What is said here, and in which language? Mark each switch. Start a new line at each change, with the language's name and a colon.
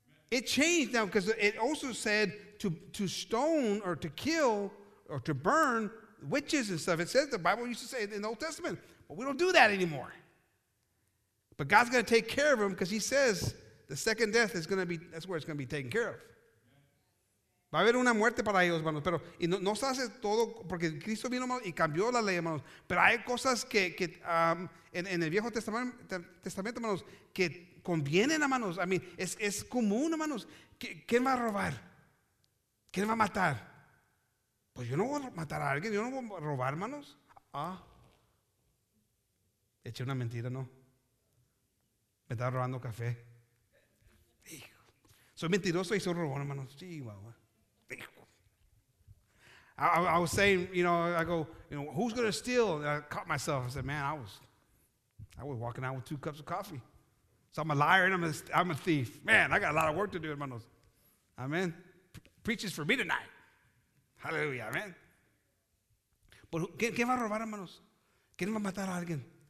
English: It changed now because it also said to stone or to kill or to burn witches and stuff. It says the Bible used to say it in the Old Testament, but we don't do that anymore. But God's going to take care of them because he says the second death is going to be, that's where it's going to be taken care of.
Spanish: Va a haber una muerte para ellos, hermanos, pero y no se hace todo porque Cristo vino y cambió la ley, hermanos, pero hay cosas que en el Viejo Testamento, hermanos, que convienen, hermanos.
English: I mean,
Spanish: es común, hermanos. ¿Quién va a robar? ¿Quién va a matar? Pues yo no voy a matar a alguien, yo no voy a robar, hermanos. Ah. Eché una mentira, ¿no? Me estaba robando café. Hijo. Soy mentiroso y soy robón, hermanos. Sí, guau. Hijo.
English: I was saying, you know, I go, you know, who's going to steal? And I caught myself. I said, man, I was walking out with two cups of coffee. So I'm a liar and I'm a thief. Man, I got a lot of work to do, hermanos. Amen. Preach is for me tonight.
Spanish: Hallelujah, amen. ¿Quién va a robar, hermanos? ¿Quién va a matar a alguien?